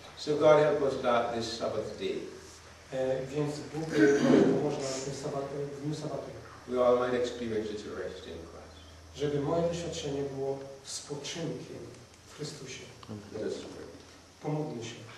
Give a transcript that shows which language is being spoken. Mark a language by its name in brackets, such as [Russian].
[English] So God help us that this Sabbath day. [Polish] Więc Bóg pomoże nam w dniu sabbatu. [English] We all might experience it to rest in Christ. [Polish] Żeby moje doświadczenie było spoczynkiem w Chrystusie. [English] Let us pray. [Polish] Pomódlmy się.